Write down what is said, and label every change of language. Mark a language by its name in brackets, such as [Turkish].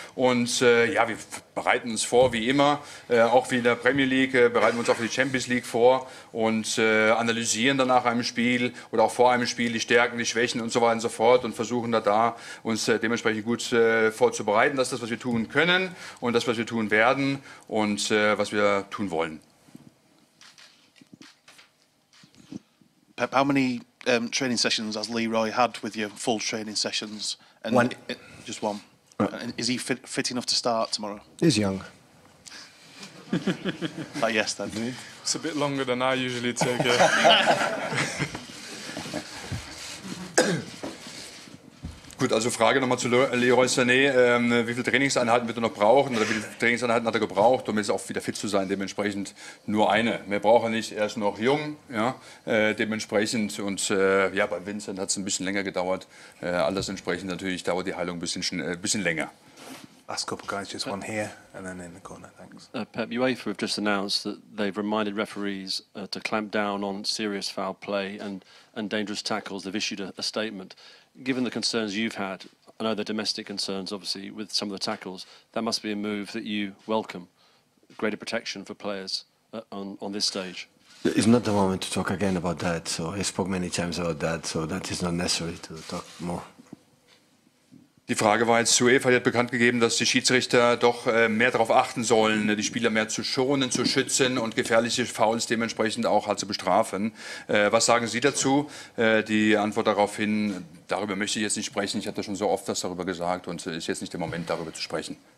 [German] Und wir bereiten uns vor, wie immer, auch wie in der Premier League, bereiten wir uns auch für die Champions League vor und analysieren dann nach einem Spiel oder auch vor einem Spiel die Stärken, die Schwächen und so weiter und so fort und versuchen da uns dementsprechend gut vorzubereiten. Das ist das, was wir tun können und das, was wir tun werden und was wir tun wollen. [English] Pep, how many training sessions has Leroy had with your full training sessions? And one. Just one. Is he fit enough to start tomorrow? He's young. But yes, then. It's a bit longer than I usually take it. [German] Gut, also Frage nochmal zu Leroy Sané. Wie viele Trainingseinheiten wird er noch brauchen? Oder wie viele Trainingseinheiten hat er gebraucht, um jetzt auch wieder fit zu sein? Dementsprechend nur eine. Mehr braucht er nicht. Er ist noch jung. Ja, dementsprechend. Und bei Vincent hat es ein bisschen länger gedauert. Alles entsprechend natürlich dauert die Heilung ein bisschen länger. [English] Last couple guys, just one here and then in the corner. Thanks. Pep, UEFA have just announced that they've reminded referees to clamp down on serious foul play and dangerous tackles. They've issued a statement. Given the concerns you've had, I know the domestic concerns, obviously, with some of the tackles, that must be a move that you welcome, greater protection for players on this stage. It's not the moment to talk again about that. So I spoke many times about that, so that is not necessary to talk more. [German] Die Frage war jetzt, UEFA hat bekannt gegeben, dass die Schiedsrichter doch mehr darauf achten sollen, die Spieler mehr zu schonen, zu schützen und gefährliche Fouls dementsprechend auch halt zu bestrafen. Was sagen Sie dazu? Die Antwort daraufhin, darüber möchte ich jetzt nicht sprechen. Ich hatte schon so oft das darüber gesagt und es ist jetzt nicht der Moment, darüber zu sprechen.